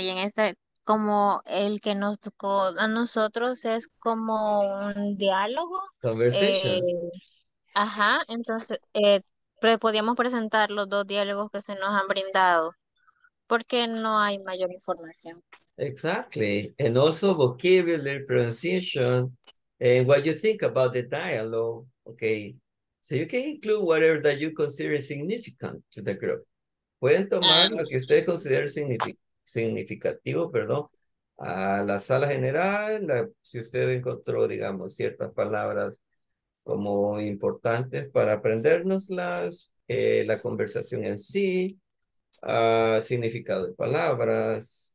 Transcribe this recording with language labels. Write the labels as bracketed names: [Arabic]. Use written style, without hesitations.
[Spanish] Y en este, como el que nos tocó a nosotros, es como un diálogo. [English] Conversation. [Spanish] Ajá, entonces, podríamos presentar los dos diálogos que se nos han brindado, porque no hay mayor información. [English] Exactly. And also vocabulary, pronunciation, and what you think about the dialogue. Okay. So you can include whatever that you consider significant to the group. [Spanish] Pueden tomar lo que ustedes consideren significativo, perdón, a la sala general, si usted encontró, digamos, ciertas palabras como importantes para aprendérnoslas, la conversación en sí, significado de palabras.